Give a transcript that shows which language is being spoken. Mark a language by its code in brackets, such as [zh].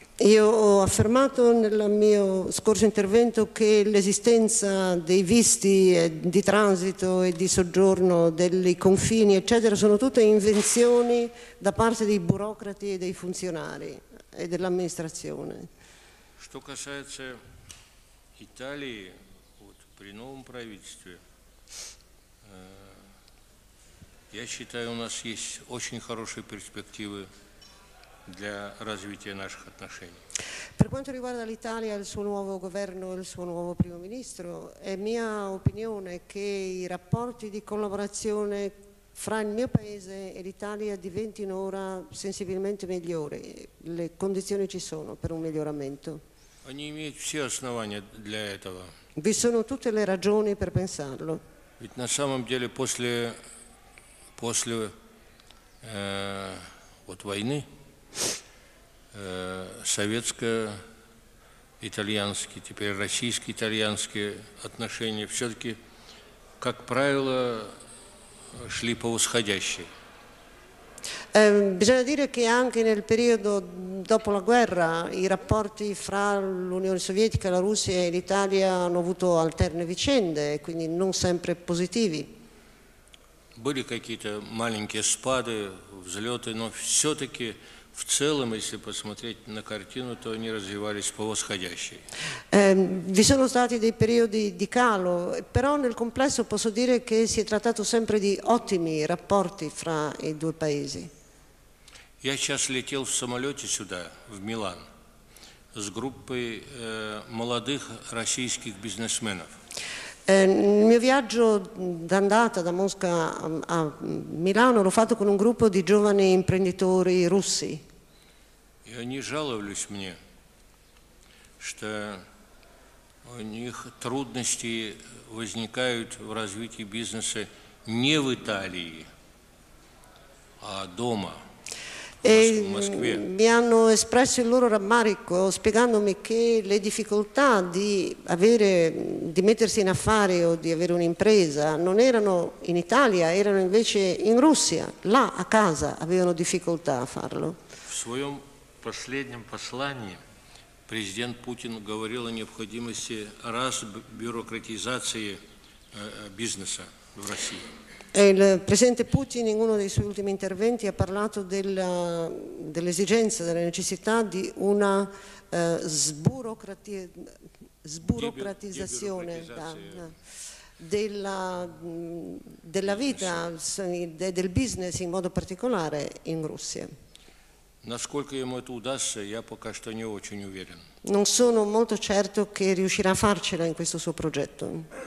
[it] Io ho affermato nel mio scorso intervento che l'esistenza dei visti di transito e di soggiorno, dei confini, eccetera, sono tutte invenzioni da parte dei burocrati e dei funzionari e dell'amministrazione. [ru] Что касается Италии, вот, при новом правительстве, я считаю, у нас есть очень хорошие перспективы для развития наших отношений. [it] Per quanto riguarda l'Italia, il suo nuovo governo e il suo nuovo primo ministro, è mia opinione che i rapporti di collaborazione fra il mio paese e l'Italia diventino ora sensibilmente migliori. Le condizioni ci sono per un miglioramento. [ru] Они имеют все основания для этого. [it] Vi sono tutte le ragioni per pensarlo. [ru] Ведь на самом деле после войны советско-итальянские, теперь российско-итальянские отношения все-таки, как правило, шли по восходящей. [it] Bisogna dire che anche nel periodo dopo la guerra i rapporti fra l'Unione Sovietica, la Russia e l'Italia hanno avuto alterne vicende, quindi non sempre positivi. [ru] Были какие-то маленькие спады, взлеты, но все-таки в целом, если посмотреть на картину, то они развивались по восходящей. [it] Vi sono stati dei periodi di calo, però nel complesso posso dire che si è trattato sempre di ottimi rapporti fra i due paesi. [ru] Я сейчас летел в самолете сюда, в Милан, с группой молодых российских бизнесменов. [it] Il mio viaggio d'andata da Mosca a Milano l'ho fatto con un gruppo di giovani imprenditori russi. [ru] И они жаловались мне, что у них трудности возникают в развитии бизнеса не в Италии, а дома. [it] E mi hanno espresso il loro rammarico spiegandomi che le difficoltà di mettersi in affari o di avere un'impresa non erano in Italia, erano invece in Russia, là a casa avevano difficoltà a farlo. [ru] В своем последнем послании президент Путин говорил о необходимости разбюрократизации бизнеса в России. [it] Il presidente Putin in uno dei suoi ultimi interventi ha parlato dell'esigenza, della necessità di una sburocratizzazione della vita, del business in modo particolare in Russia. [ru] Насколько ему это удастся, я пока что не очень уверен. [it] Non sono molto certo che riuscirà a farcela in questo suo progetto.